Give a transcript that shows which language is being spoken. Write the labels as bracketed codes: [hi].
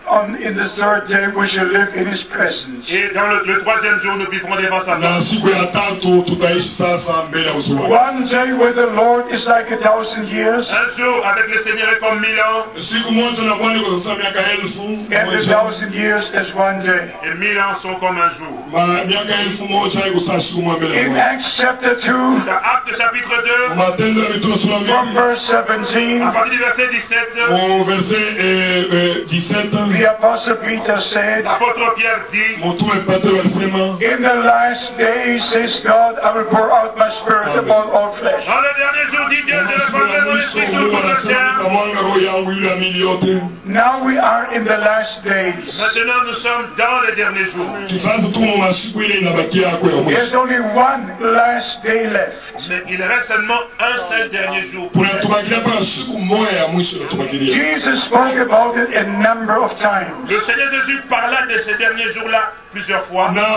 [en] And in the 3rd day, we shall live in his presence. [fr] Et dans le 3e jour, nous vivrons devant sa place. [en] One day with the Lord is like 1,000 years. [fr] Un jour avec le Seigneur est comme 1,000 ans. [en] And 1,000 years is one day. [fr] Et 1,000 ans sont comme un jour. [en] In Acts chapter 2, [fr] Actes chapitre 2, [en] from verse 17, [fr] à partir du verset 17, [en] the apostle Peter said, [fr] l'apôtre Pierre dit, [en] in the last days, says God, I will pour out my spirit upon all flesh. [fr] Dans les derniers jours, dit Dieu, je répandrai mon esprit sur tout le [en] chien. Now we are in the last days. [fr] Maintenant, nous sommes dans les derniers jours. [en] There's only one last day left. [fr] Mais il reste seulement un seul dernier jour. [en] Jesus spoke about it a number of times. [fr] Le Seigneur Jésus parla de ces derniers jours-là plusieurs fois.